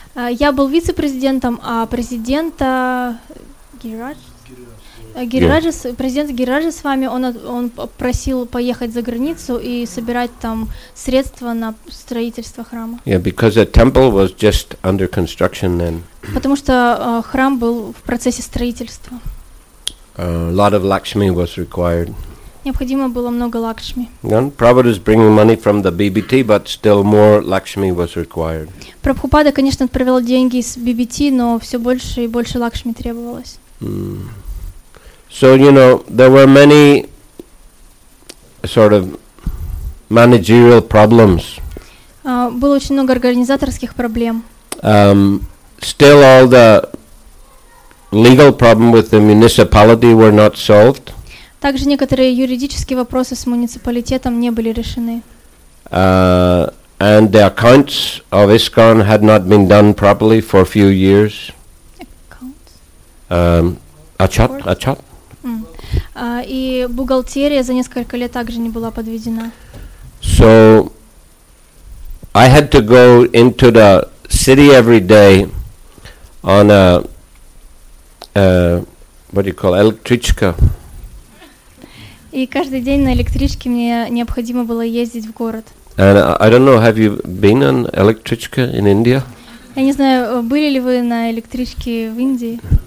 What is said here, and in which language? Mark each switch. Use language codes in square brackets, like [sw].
[ru] Я был вице-президентом, а президента Гирираджас, президент Гирираджас с вами, он просил поехать за границу и собирать там средства на строительство храма. [en] Yeah, because the temple was just under construction then. [ru] Потому что храм был в процессе строительства. [en] A lot of Lakshmi was required. [ru] Необходимо было много Лакшми. [en] Prabhupada is bringing money from the BBT, but still more Lakshmi was required. [ru] Прабхупада, конечно, отправил деньги из BBT, но все больше и больше Лакшми требовалось. [en] So, you know, there were many sort of managerial problems. [ru] Было очень много организаторских проблем. [en] Still all the legal problem with the municipality were not solved. [ru] Также некоторые юридические вопросы с муниципалитетом не были решены. [en] And the accounts of ISKCON had not been done properly for a few years. [ru] Отчет. И бухгалтерия за несколько лет также не была подведена. [en] So I had to go into the city every day on a what do you call электричка. [ru] И каждый день на электричке мне необходимо было ездить в город. [en] And I don't know, have you been on электричка in India? [ru] Я не знаю, были ли вы на электричке в Индии?